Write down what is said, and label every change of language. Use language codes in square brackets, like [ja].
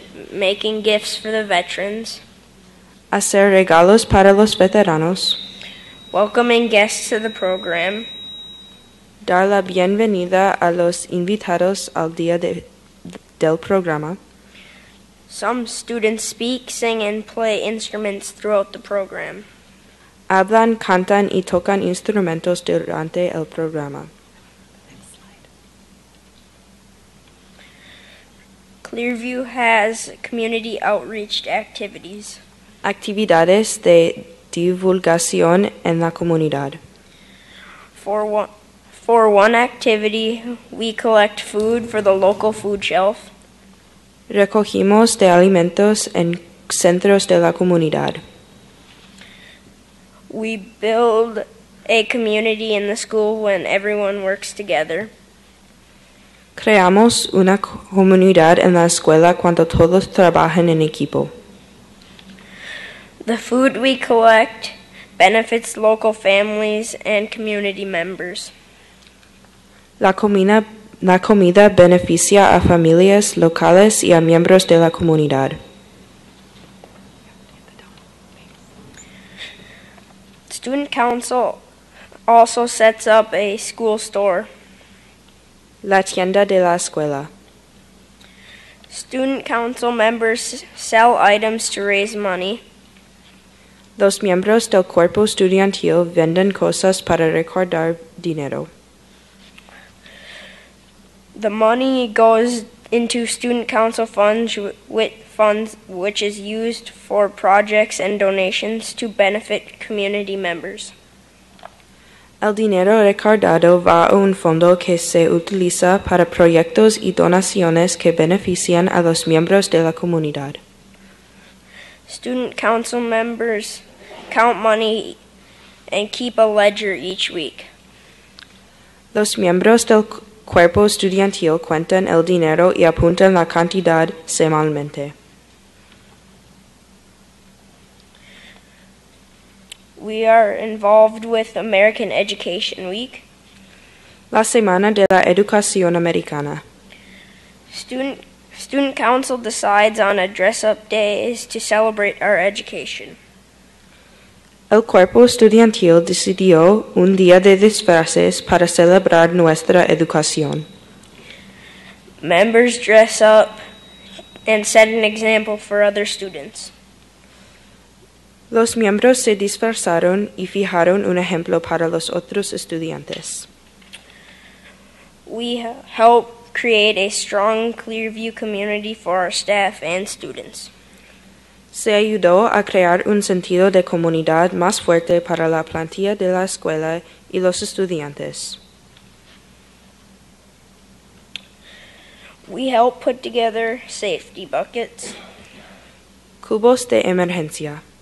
[en] making gifts for the veterans, [es] hacer regalos para los veteranos, [en] welcoming guests to the program, [es] dar la bienvenida a los invitados al día del programa. [en] Some students speak, sing, and play instruments throughout the program. [es] Hablan, cantan, y tocan instrumentos durante el programa. [en] Clearview has community outreach activities. [es] Actividades de divulgación en la comunidad. [en] For one activity, we collect food for the local food shelf. [es] Recogimos de alimentos en centros de la comunidad. [en] We build a community in the school when everyone works together. [es] Creamos una comunidad en la escuela cuando todos trabajan en equipo. [en] The food we collect benefits local families and community members. [es] La comida beneficia a familias locales y a miembros de la comunidad. [en] Student council also sets up a school store. [es] La tienda de la escuela. [en] Student council members sell items to raise money. [es] Los miembros del cuerpo estudiantil venden cosas para recaudar dinero. [en] The money goes into student council funds, which is used for projects and donations to benefit community members. [es] El dinero recaudado va a un fondo que se utiliza para proyectos y donaciones que benefician a los miembros de la comunidad. [en] Student council members count money and keep a ledger each week. [es] Los miembros del cuerpo estudiantil cuentan el dinero y apuntan la cantidad semanalmente. [en] We are involved with American Education Week. [es] La Semana de la Educación Americana. [en] Student Council decides on a dress-up day to celebrate our education. [es] El cuerpo estudiantil decidió un día de disfraces para celebrar nuestra educación. [en] Members dress up and set an example for other students. [es] Los miembros se disfrazaron y fijaron un ejemplo para los otros estudiantes. [en] We help create a strong Clearview community for our staff and students. [es] Se ayudó a crear un sentido de comunidad más fuerte para la plantilla de la escuela y los estudiantes. [en] We help put together safety buckets. [es] Cubos de emergencia.